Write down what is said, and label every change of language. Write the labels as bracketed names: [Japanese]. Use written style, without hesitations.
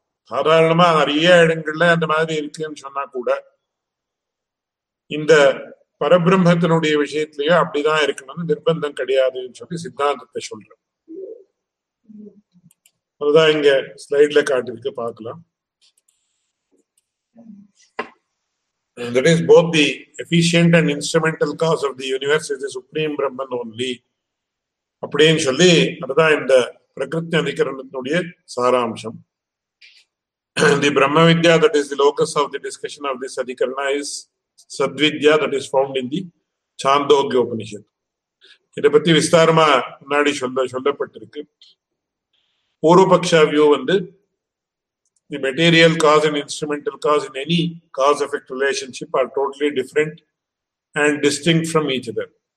[Tamil] சாதாரணமா நிறைய இடங்கள்ல அந்த மாதிரி இருக்குன்னு சொன்னா கூட இந்த பரபிரம்மத்தினுடைய விஷயத்திலயும் அப்படிதான் இருக்கணும்னு நிர்பந்தம் கிடையாதுன்னு சொல்லி சித்தாந்தத்தை சொல்றோம். அதுதான் இங்க ஸ்லைட்ல காட்டிருக்கு, பார்க்கலாம். [English] That is both the efficient and instrumental cause of the universe is the supreme Brahman only. [Tamil] அப்படின்னு சொல்லி அதுதான் இந்த பிரகிருத்தி அதிகரணத்தினுடைய சாராம்சம். [English] The Brahma vidya that is the locus of the discussion of this adhikarana is Sadvidya that is found in the Chandogya Upanishad. [Tamil] இதை பத்தி விஸ்தாரமா முன்னாடி சொல்லப்பட்டிருக்கு. பூர்வபக்ஷா வியூ வந்து [English] The material cause and instrumental cause in any cause effect relationship are totally different and distinct from each other.